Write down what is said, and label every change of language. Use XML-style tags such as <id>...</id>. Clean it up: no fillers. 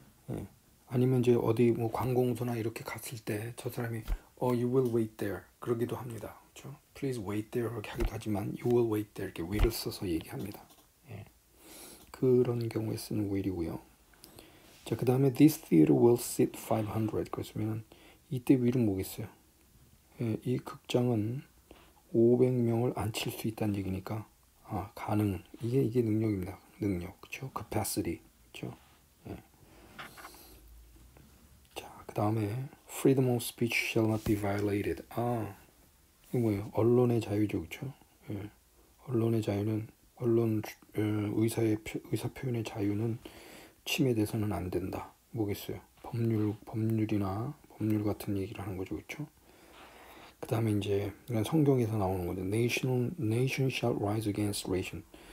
<ko>예. 아니면 이제 어디 뭐 관공서나 이렇게 갔을 때저 사람이</ko> <en>you will wait there</en> <ko>그러기도 합니다. 그렇죠?</ko> <en>Please wait there</en> <ko>이렇게 하기도 하지만</ko> <en>you will wait there</en> <ko>이렇게 will을 써서 얘기합니다. 예. 그런 경우에 쓰는 will이고요. 자, 그 다음에</ko> <en>this theater will seat 500</en> <ko>그랬으면 이때 will은 뭐겠어요? 예, 이 극장은 500명을 앉힐 수 있다는 얘기니까 아, 가능. 이게 능력입니다. 능력. 그쵸? capacity. 그쵸? 예. 자, 그 다음에</ko> <en>Freedom of speech shall not be violated.</en> <ko>아, 이거 뭐예요? 언론의 자유죠, 그렇죠? 예. 언론의 자유는 의사 표현의 자유는 침해돼서는 안 된다. 뭐겠어요? 법률이나 법률 같은 얘기를 하는 거죠, 그렇죠? 그 다음에 이제 이건 성경에서 나오는 건데,</ko> <en>nation shall rise against nation.</en>